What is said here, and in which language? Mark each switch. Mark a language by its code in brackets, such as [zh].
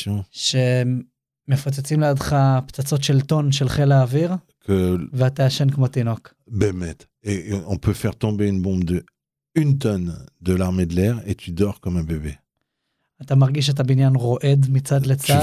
[he] שמפוצצים לידך פצצות של טון של חיל האוויר, ואתה ישן כמו תינוק. באמת. [fr] On peut faire tomber une bombe de une tonne de l'armée de l'air et tu dors comme un bébé. [he] אתה מרגיש את הבניין רועד מצד לצד.